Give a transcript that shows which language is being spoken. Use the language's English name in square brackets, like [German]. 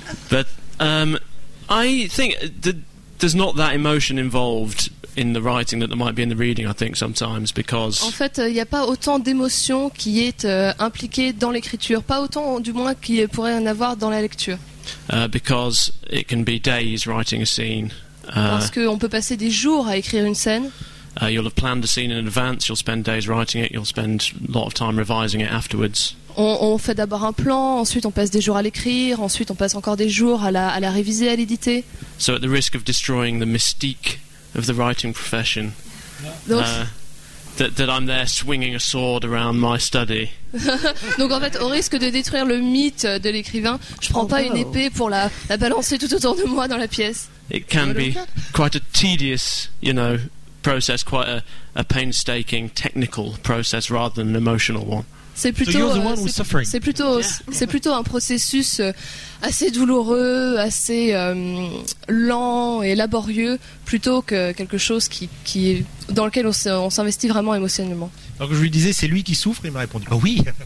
[English] But I think there's not that emotion involved in the writing that there might be in the reading, I think sometimes because [French] en fait, il y a pas autant d'émotion qui est impliquée dans l'écriture, pas autant du moins qui pourrait en avoir dans la lecture. [English] Because it can be days writing a scene. [French] Parce qu'on peut passer des jours à écrire une scène. [English] You'll have planned a scene in advance. You'll spend days writing it. You'll spend a lot of time revising it afterwards. [French] On fait d'abord un plan, ensuite on passe des jours à l'écrire, ensuite on passe encore des jours à la réviser, à l'éditer. [English] So at the risk of destroying the mystique of the writing profession, that I'm there swinging a sword around my study. [French] Donc en fait, au risque de détruire le mythe de l'écrivain, je prends pas une épée pour la balancer tout autour de moi dans la pièce. [English] It can be quite a tedious, you know, process, quite a painstaking technical process rather than an emotional one. [French] C'est plutôt, c'est plutôt un processus assez douloureux, assez lent et laborieux, plutôt que quelque chose qui est dans lequel on s'investit vraiment émotionnellement. Donc je lui disais, c'est lui qui souffre, il m'a répondu, bah oui.